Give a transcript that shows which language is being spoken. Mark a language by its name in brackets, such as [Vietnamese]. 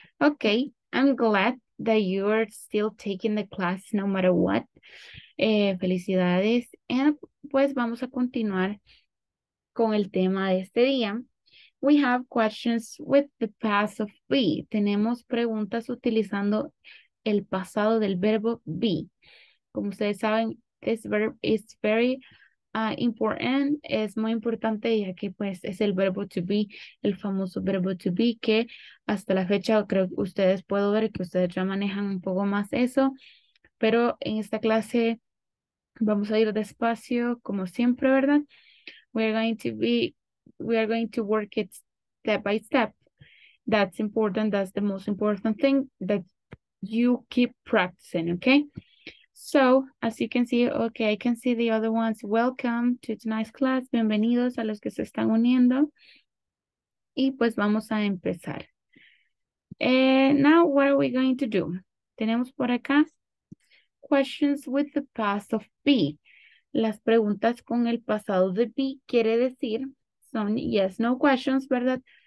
[English] Okay, I'm glad that you are still taking the class no matter what. [Spanish] Felicidades. And pues vamos a continuar con el tema de este día. [English] We have questions with the past of be. [Spanish] Tenemos preguntas utilizando el pasado del verbo be. Como ustedes saben, [English] this verb is very important. [Spanish] Es muy importante ya que pues es el verbo to be, el famoso verbo to be, que hasta la fecha creo que ustedes puedo ver que ustedes ya manejan un poco más eso. Pero en esta clase vamos a ir despacio, como siempre, ¿verdad? [English] We are going to work it step by step. That's important. That's the most important thing, that you keep practicing, okay? So, as you can see, okay, I can see the other ones. Welcome to tonight's class. [Spanish] Bienvenidos a los que se están uniendo. Y pues vamos a empezar. [English] And now, what are we going to do? [Spanish] Tenemos por acá [English] questions with the past of be. [Spanish] Las preguntas con el pasado de be quiere decir son yes, no questions, ¿verdad?